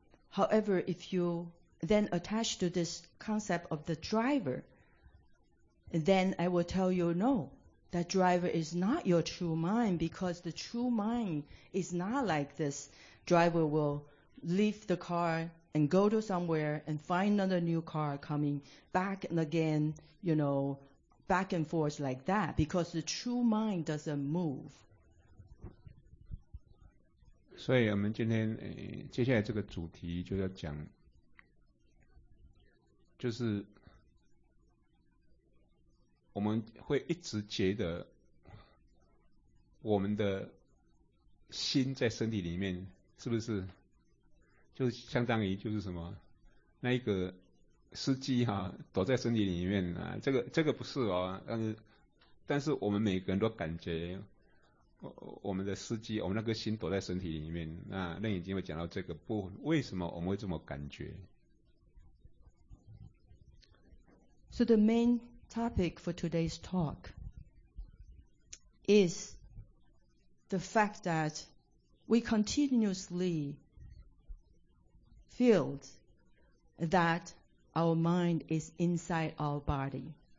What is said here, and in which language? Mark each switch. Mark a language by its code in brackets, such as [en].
[en] However, if you then attach to this concept of the driver, then I will tell you no, that driver is not your true mind, because the true mind is not like this. Driver will leave the car and go to somewhere and find another new car coming back and again, you know, back and forth like that, because the true mind doesn't move. [zh] 所以我们今天接下来这个主题就要讲，就是我们会一直觉得我们的心在身体里面，是不是就是相当于就是什么那一个司机哈、啊、躲在身体里面啊，这个不是哦，但是我们每个人都感觉我们的司机，我们那个心躲在身体里面。那任已经会讲到这个部分，为什么我们会这么感觉。 [en] So the main topic for today's talk is the fact that we continuously feel that our mind is inside our body.